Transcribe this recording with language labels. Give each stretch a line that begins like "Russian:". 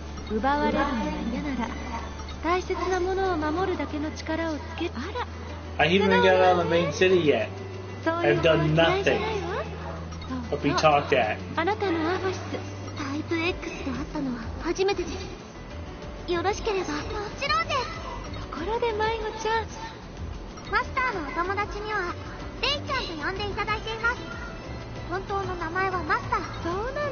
Japanese: 奪われるのが嫌なら大切なものを守るだけの力をつけ。あら、
English: I haven't got out of the main city yet. I've done nothing but be talked at.
Japanese: あなたのアファシス、タイプ X と会ったのは初めてです。よろしければ。もちろんです。ところで迷子ちゃん、マスターのお友達にはデイちゃんと呼んでいただいています。本当の名前はマスター。そうなの。